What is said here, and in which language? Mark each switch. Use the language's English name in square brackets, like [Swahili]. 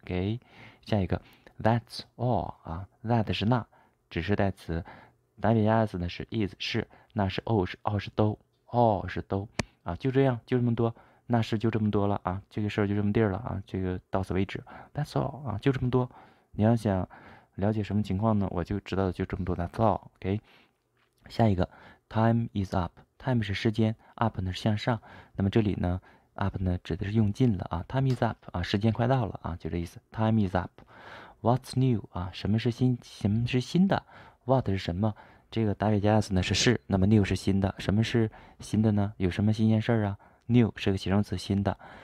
[Chinese] 给、okay? 下一个 [English] that's all [Chinese] 啊，that 是那，只是代词，ws 呢是 is 是，那是 o 是 all 是都，all 是都啊，就这样，就这么多，那是就这么多了啊，这个事儿就这么地儿了啊，这个到此为止，that's all 啊，就这么多。你要想了解什么情况呢？我就知道的就这么多， [English] that's all。 OK， [Chinese] 下一个， [English] time is up。 [Chinese] Time 是时间，up 呢是向上，那么这里呢，up 呢指的是用尽了啊。 [English] Time is up [Chinese] 啊，时间快到了啊，就这意思。 [English] Time is up。 What's new 啊？ [Chinese] 什么是新？什么是新的？What 是什么？这个 WS 呢是，那么 new 是新的。什么是新的呢？有什么新鲜事儿啊？New 是个形容词，新的。